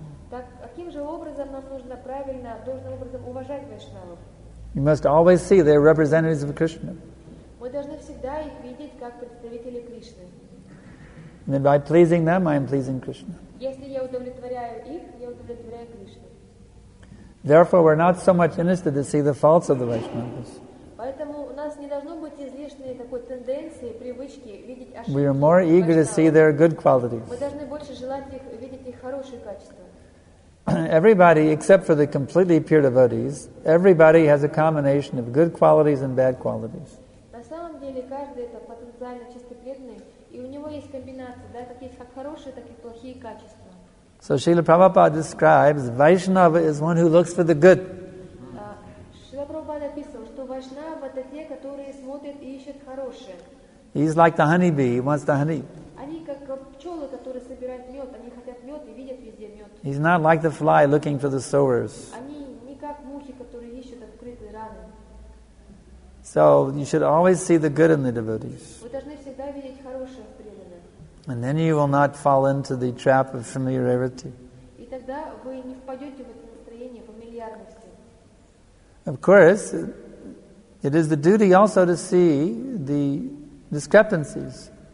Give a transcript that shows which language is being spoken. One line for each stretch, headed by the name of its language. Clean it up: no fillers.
Russian: Так каким же образом нам нужно правильно, должным образом уважать Вайшнавов?
English: You must always see they are representatives of Krishna.
Russian: Мы должны всегда их видеть как представители Кришны.
English: And then by pleasing them, I am pleasing Krishna.
Russian: Если я удовлетворяю их, я удовлетворяю Кришну.
English: Therefore, we're not so much interested to see the faults of the Vaishnavas.
Russian: Поэтому у нас не должно быть излишней такой тенденции, привычки видеть ошибки.
English: We are more eager to see their good qualities.
Russian: Мы должны больше желать их видеть их хорошие качества.
English: Everybody, except for the completely pure devotees, everybody has a combination of good qualities and bad qualities.
Russian: На самом деле каждый это потенциально чисто преданный, и у него есть комбинация, да, такие как хорошие, так и плохие качества.
English: So Srila Prabhupada describes Vaishnava is one who looks for the good.
Russian: Srila Prabhupada описывал, что Вайшнава это те, которые смотрят и ищут хорошее.
English: He's like the honeybee, he wants the honey.
Russian: Они как пчелы, которые собирают мед, они хотят мед и видят везде мед.
English: He's not like the fly looking for the sores.
Russian: Они не как мухи, которые ищут открытые раны.
English: So you should always see the good in the devotees.
Russian: Вы должны всегда видеть хорошее в преданных.
English: And then you will not fall into the trap of familiarity.
Russian: И тогда вы не впадете в это настроение фамильярности.
English: Of course, it is the duty also to see the discrepancies.